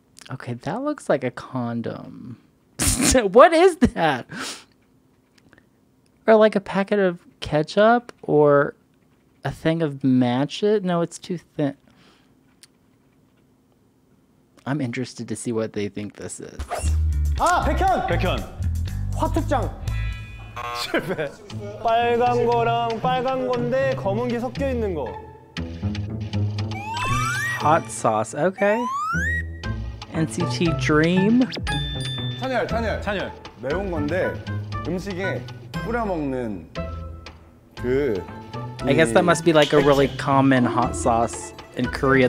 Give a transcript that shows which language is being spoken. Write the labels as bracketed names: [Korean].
[English] Okay, that looks like a condom. What is that? Or like a packet of ketchup? Or a thing of matches? No, it's too thin. I'm interested to see what they think this is. [Korean] 아! 백현! 백현! 화투장! 실패! 빨간 거랑 빨간 건데 검은 게 섞여 있는 거. [English] Hot sauce, okay. NCT Dream. [Korean] 찬열, 찬열! 찬열! 매운 건데 음식에 뿌려 먹는 그... [English] I guess that must be like a really common hot sauce in Korea.